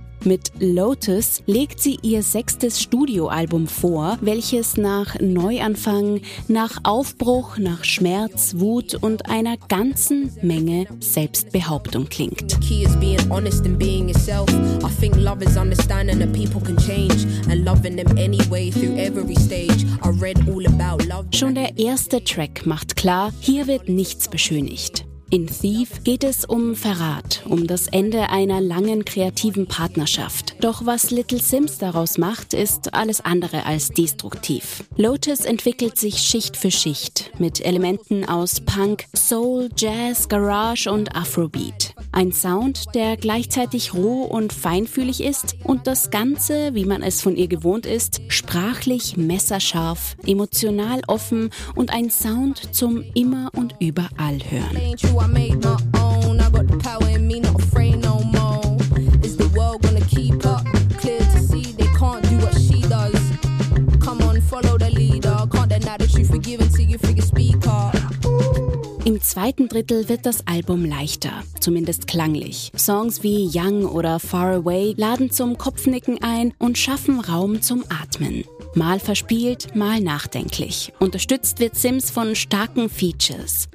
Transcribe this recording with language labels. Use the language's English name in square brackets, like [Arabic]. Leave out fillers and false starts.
[German] Mit Lotus legt sie ihr sechstes Studioalbum vor, welches nach Neuanfang, nach Aufbruch, nach Schmerz, Wut und einer ganzen Menge Selbstbehauptung klingt. [English] The key is being honest and being yourself. I think love is understanding that people can change and loving them anyway through every stage. I read all about love. [German] Schon der erste Track macht klar, hier wird nichts beschönigt. In Thief geht es um Verrat, um das Ende einer langen kreativen Partnerschaft. Doch was Little Sims daraus macht, ist alles andere als destruktiv. Lotus entwickelt sich Schicht für Schicht, mit Elementen aus Punk, Soul, Jazz, Garage und Afrobeat. Ein Sound, der gleichzeitig roh und feinfühlig ist und das Ganze, wie man es von ihr gewohnt ist, sprachlich messerscharf, emotional offen und ein Sound zum immer und überall hören. [English] I made my own, I got the power in me, not afraid no more. Is the world gonna keep up? Clear to see they can't do what she does. Come on, follow the leader. Can't deny the truth, forgive until you figure speak up. [German] Im zweiten Drittel wird das Album leichter, zumindest klanglich. Songs wie Young oder Far Away laden zum Kopfnicken ein und schaffen Raum zum Atmen. Mal verspielt, mal nachdenklich. Unterstützt wird Sims von starken Features.